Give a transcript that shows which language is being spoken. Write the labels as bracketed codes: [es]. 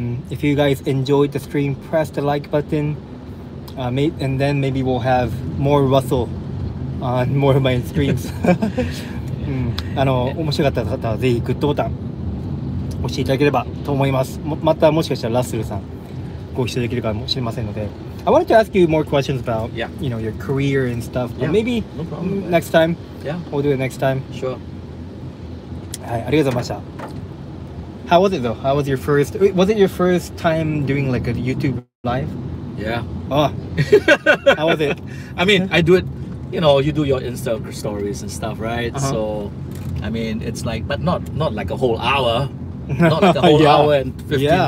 [en] If you guys enjoyed the stream, press the like button. And then maybe we'll have more Russel on more of my streams. [ja] うん、面白かった方はぜひグッドボタン押していただければと思います。またもしかしたらラッスルさんご一緒できるかもしれませんので。 [en] I wanted to ask you more questions about you know, your career and stuff, but maybe next time. Yeah, we'll do it next time. Sure. [ja] はい、ありがとうございました。 [en] How was it though? How was your first, was it your first time doing like a YouTube live? Yeah. Oh. How was it? I mean, I do it you know, you do your Insta stories and stuff, right? Uh-huh. So, I mean, it's like, but not like a whole hour. Not like a whole yeah. hour and 15 yeah.